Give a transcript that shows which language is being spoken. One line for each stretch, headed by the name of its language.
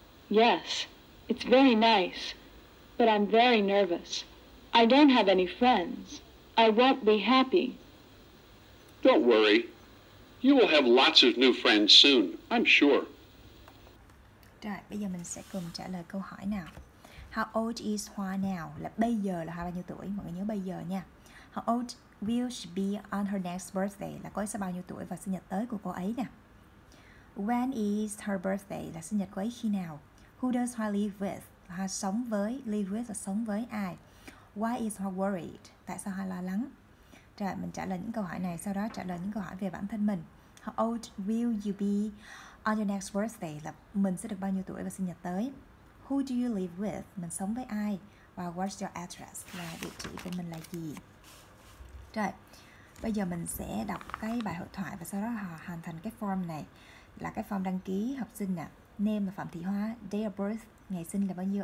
English: Yes, it's very nice, but I'm very nervous. I don't have any friends. I won't be happy. Don't worry. You will have lots of new friends soon, I'm sure.
Vietnamese: Rồi, bây giờ mình sẽ cùng trả lời câu hỏi nào.
English: How old is Hoa now?
Vietnamese: Là bây giờ là Hoa bao nhiêu tuổi? Mọi người nhớ bây giờ nha.
English: How old will she be on her next birthday?
Vietnamese: Là cô ấy sẽ bao nhiêu tuổi vào sinh nhật tới của cô ấy nè.
English: When is her birthday?
Vietnamese: Là sinh nhật cô ấy khi nào?
English: Who does Hoa live with?
Vietnamese: Hoa sống với, live with là sống với ai?
English: Why is Hoa worried?
Vietnamese: Tại sao Hoa lo lắng? Rồi, mình trả lời những câu hỏi này, sau đó trả lời những câu hỏi về bản thân mình.
English: How old will you be on your next birthday?
Vietnamese: Là mình sẽ được bao nhiêu tuổi vào sinh nhật tới?
English: Who do you live with?
Vietnamese: Mình sống với ai? Và
English: what's your address?
Vietnamese: Là địa chỉ của mình là gì? Rồi, bây giờ mình sẽ đọc cái bài hội thoại và sau đó họ hoàn thành cái form này. Là cái form đăng ký học sinh nè. Name là Phạm Thị Hoa. Day of birth, ngày sinh là bao nhiêu?